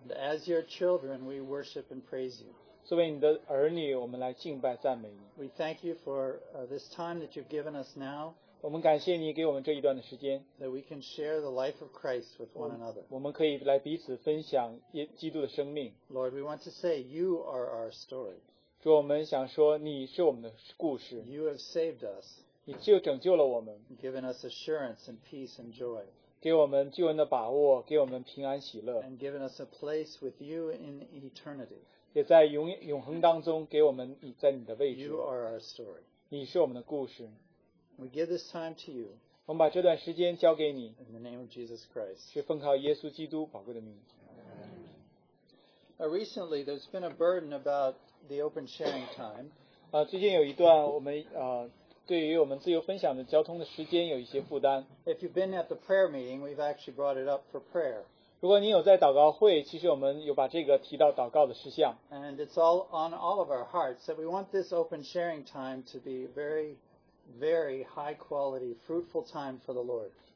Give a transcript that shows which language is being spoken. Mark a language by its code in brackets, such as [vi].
[en] and as your children, we worship and praise you. [zh] 作为你的儿女, [en] we thank you for this time that you've given us now. [zh] 我们感谢你给我们这一段的时间, [en] that we can share the life of Christ with one another. [zh] 我们可以来彼此分享基督的生命。 [en] Lord, we want to say you are our story. [zh] 主我们想说你是我们的故事。 [en] You have saved us. [zh] 你就拯救了我们。 [en] Given us assurance and peace and joy. [zh] 给我们救恩的把握, 给我们平安喜乐。 [en] And given us a place with you in eternity. [zh] 也在永恒当中, 给我们你在你的位置。 [en] You are our story. [zh] 你是我们的故事。 [en] We give this time to you. [zh] 我们把这段时间交给你, [en] in the name of Jesus Christ. [zh] 是奉靠耶稣基督宝贵的名。 [en] Recently, there's been a burden about the open sharing time. [zh] 最近有一段我们对于我们自由分享的交通的时间有一些负担。 [en] If you've been at the prayer meeting, we've actually brought it up for prayer. [zh] 如果你有在祷告会, 其实我们有把这个提到祷告的事项。 [en] And it's all on all of our hearts that we want this open sharing time to be very, very high quality, fruitful time for the Lord.